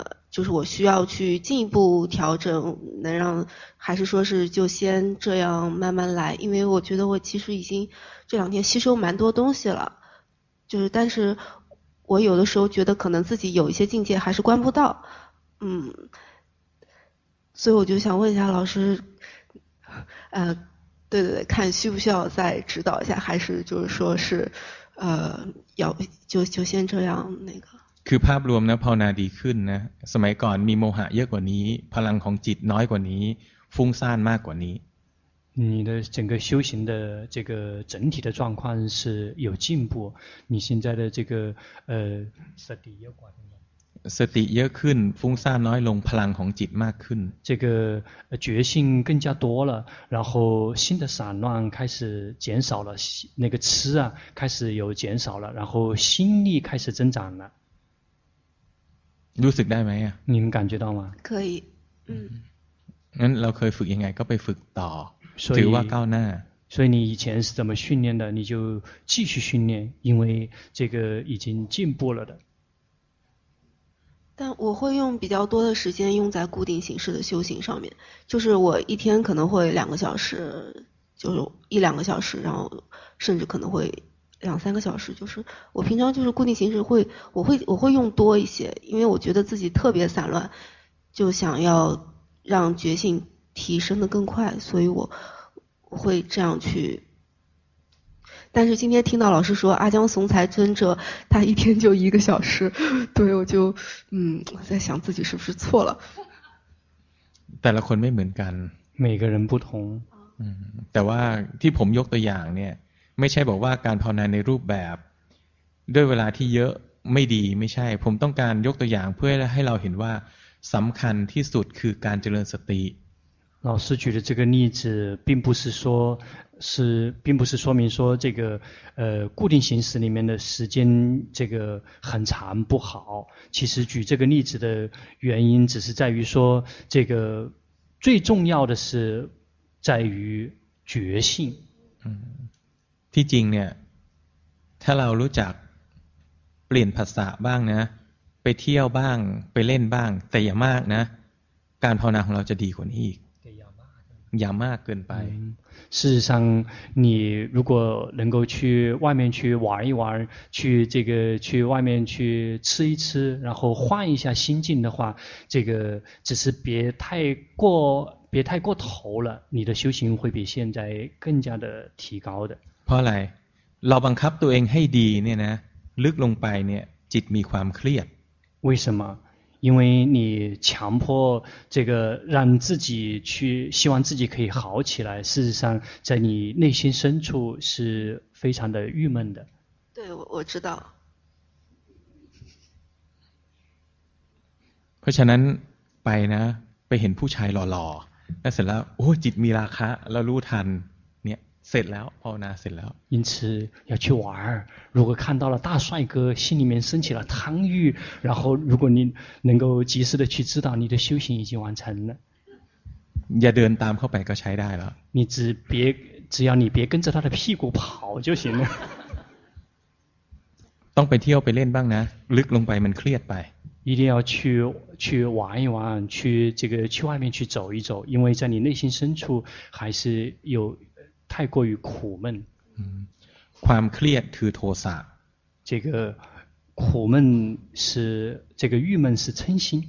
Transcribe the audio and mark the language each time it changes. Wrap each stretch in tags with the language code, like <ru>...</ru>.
<zh>就是我需要去进一步调整能让还是说是就先这样慢慢来因为我觉得我其实已经这两天吸收蛮多东西了就是但是我有的时候觉得可能自己有一些境界还是关不到所以我就想问一下老师对对对看需不需要再指导一下还是就是说是要就先这样那个</zh> <th>คือภาพรวมนะภาวนาดีขึ้นนะสมัยก่อนมีโมหะเยอะกว่านี้พลังของจิตน้อยกว่านี้ฟุ้งซ่านมากกว่านี้</th> <zh>你的整个修行的这个整体的状况是有进步你现在的这个</zh> <th>สติเยอะกว่า สติเยอะขึ้นฟุ้งซ่านน้อยลงพลังของจิตมากขึ้น</th> <zh>这个觉性更加多了然后心的散乱开始减少了那个痴啊开始有减少了然后心力开始增长了</zh> <th>รู้สึกได้ไหมอ่ะ</th> <zh>你们感觉到吗可以</zh> <th>งั้นเราเคยฝึกยังไงก็ไปฝึกต่อถือว่าก้าวหน้า</th> <zh>所以你以前是怎么训练的你就继续训练因为这个已经进步了的但我会用比较多的时间用在固定形式的修行上面就是我一天可能会两个小时就是一两个小时然后甚至可能会两三个小时就是我平常就是固定形式会我会用多一些因为我觉得自己特别散乱就想要让觉性提升得更快所以我会这样去但是今天听到老师说阿姜怂才尊者他一天就一个小时对我就在想自己是不是错了</zh> <th>แต่ละคนไม่เหมือนกัน</th> <zh>每个人不同</zh> <th>แต่ว่าที่ผมยกตัวอย่างเนี่ยไม่ใช่บอกว่าการภาวนาในรูปแบบด้วยเวลาที่เยอะไม่ดีไม่ใช่ผมต้องการยกตัวอย่างเพื่อให้เราเห็นว่าสำคัญที่สุดคือการเจริญสติ</th> <zh>老师举的这个例子并不是说明说这个固定形式里面的时间这个很长不好其实举这个例子的原因只是在于说这个最重要的是在于觉性</zh> <th>ที่จริงเนี่ย ถ้าเรารู้จักเปลี่ยนภาษาบ้างนะไปเที่ยวบ้างไปเล่นบ้างแต่อย่ามากนะการภาวนาของเราจะดีกว่านี้อีกอย่ามากเกินไป</th> <zh>事实上你如果能够去外面去玩一玩去这个去外面去吃一吃然后换一下心境的话这个只是别太过头了你的修行会比现在更加的提高的</zh> <th>เพราะอะไรเราบังคับตัวเองให้ดีเนี่ยนะลึกลงไปเนี่ยจิตมีความเครียด</th> <zh>为什么因为你强迫这个让自己去希望自己可以好起来事实上在你内心深处是非常的郁闷的对 我知道</zh> <th>เพราะฉะนั้นไปนะไปเห็นผู้ชายหล่อๆแล้วเสร็จแล้วโอ้จิตมีราคะแล้วรู้ทันเสร็จแล้วภาวนาเสร็จแล้ว</th> <zh>因此要去玩如果看到了大帅哥心里面升起了贪欲然后如果你能够及时的去知道你的修行已经完成了อ</zh> <th>ย่าเดินตามเข้าไปก็ใช้ได้แล้ว</th> <zh>你只要你别跟着他的屁股跑就行了</zh> <th>ต้องไปเที่ยวไปเล่นบ้างนะลึกลงไปมันเครียดไป</th> <zh>一定要去玩一玩去这个去外面去走一走因为在你内心深处还是有太过于苦闷</zh> <th>ความเครียดคือโทสะ</th> <zh>这个苦闷是这个郁闷是嗔心</zh>